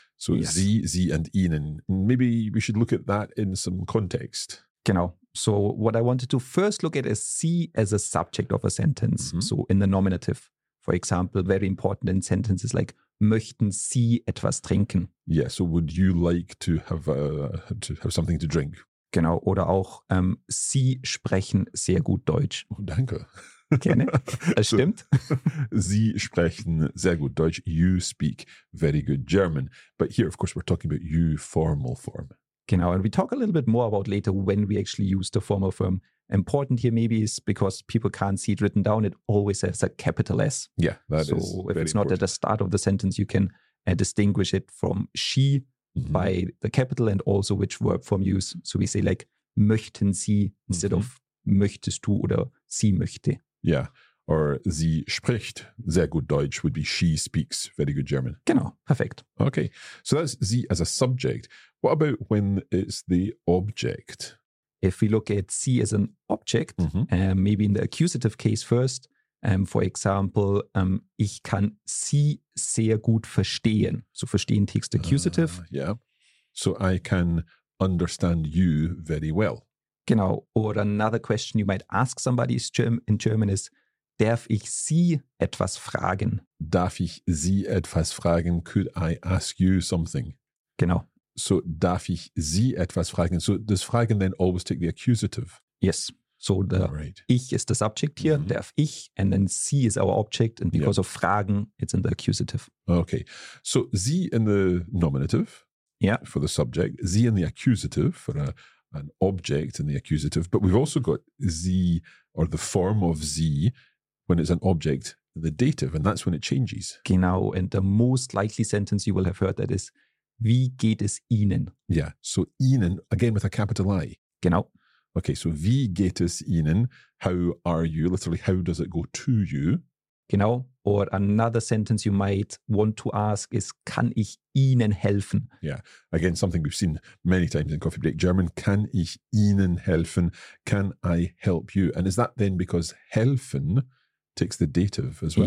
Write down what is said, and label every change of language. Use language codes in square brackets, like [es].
[en] So sie, and ihnen. Maybe we should look at that in some context. [de] Genau. [en] So what I wanted to first look at is sie as a subject of a sentence. Mm-hmm. So in the nominative, for example, very important in sentences like [de] möchten Sie etwas trinken? [en] Yeah. So would you like to have something to drink? [de] Genau. Oder auch Sie sprechen sehr gut Deutsch. Oh, danke. Gerne. Das stimmt. Sie sprechen sehr gut Deutsch. [en] You speak very good German. But here, of course, we're talking about you formal form. [de] Genau. [en] And we talk a little bit more about later when we actually use the formal form. Important here maybe is because people can't see it written down. It always has a capital S. Yeah, that so is So if very it's important. Not at the start of the sentence, you can distinguish it from she mm-hmm. by the capital and also which verb form you use. So we say like möchten Sie instead mm-hmm. of [de] möchtest du oder sie möchte. [en] Yeah, or [de] sie spricht sehr gut Deutsch [en] would be she speaks very good German. [de] Genau, perfect. [en] Okay, so that's sie as a subject. What about when it's the object? If we look at sie as an object, mm-hmm. Maybe in the accusative case first, for example, [de] ich kann sie sehr gut verstehen. [en] So verstehen takes the accusative. Yeah, so I can understand you very well. [de] Genau. [en] Or another question you might ask somebody in German is, [de] darf ich Sie etwas fragen? Darf ich Sie etwas fragen? [en] Could I ask you something? [de] Genau. So, darf ich Sie etwas fragen? [en] So, does fragen then always take the accusative? Yes. So, the right. ich is the subject here, mm-hmm. [de] darf ich, [en] and then Sie is our object. And because of fragen, it's in the accusative. Okay. So, Sie in the nominative for the subject, Sie in the accusative for an object in the accusative, but we've also got sie or the form of sie when it's an object in the dative, and that's when it changes. Genau, and the most likely sentence you will have heard that is, [de] wie geht es ihnen? [en] Yeah, so ihnen, again with a capital I. [de] Genau. Okay, so wie geht es Ihnen? [en] How are you? Literally, how does it go to you? Genau. Or another sentence you might want to ask is, [de] kann ich Ihnen helfen? [en] Yeah. Again, something we've seen many times in Coffee Break German. [de] Kann ich Ihnen helfen? [en] Can I help you? And is that then because helfen takes the dative as well?